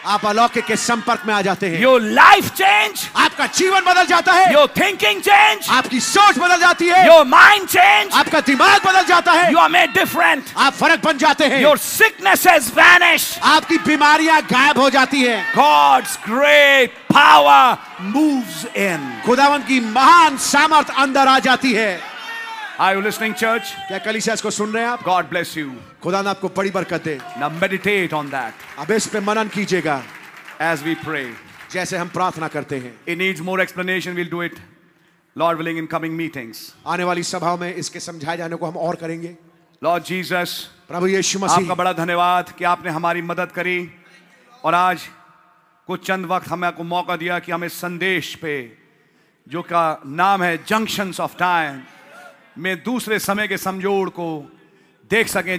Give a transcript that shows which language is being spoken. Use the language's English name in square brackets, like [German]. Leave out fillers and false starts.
[Hindi] आप अलौकिक के संपर्क में आ जाते हैं. [English] your life change, [Hindi] आपका जीवन बदल जाता है. [English] your thinking change, [Hindi] आपकी सोच बदल जाती है. [English] your mind change, [Hindi] आपका दिमाग बदल जाता है. [English] you are made different, [Hindi] आप फर्क बन जाते हैं. [English] your sicknesses vanish, [Hindi] आपकी बीमारियां गायब हो जाती है. [English] God's great power moves in. [Hindi] खुदावन की महान सामर्थ अंदर आ जाती है. [English] Are you listening, church? [Hindi] क्या कलीसिया इसको सुन रहे हैं आप? [English] God bless you. [Hindi] खुदा ने आपको बड़ी बरकत दे. [English] Now meditate on that. [Hindi] अब इस पे मनन कीजिएगा. [English] As we pray. [Hindi] जैसे हम प्रार्थना करते हैं. [English] It needs more explanation. We'll do it, Lord willing, in coming meetings. [Hindi] आने वाली सभाओं में इसके समझाए जाने को हम और करेंगे. [English] Lord Jesus. [Hindi] प्रभु यीशु मसीह. आपका बड़ा धन्यवाद कि आपने हमारी मदद करी और आज कुछ चंद वक्त हमें आपको मौका दिया कि हम इस संदेश पे जो का नाम है [English] junctions of time [Hindi] में दूसरे समय के समझोड़ को देख सकें.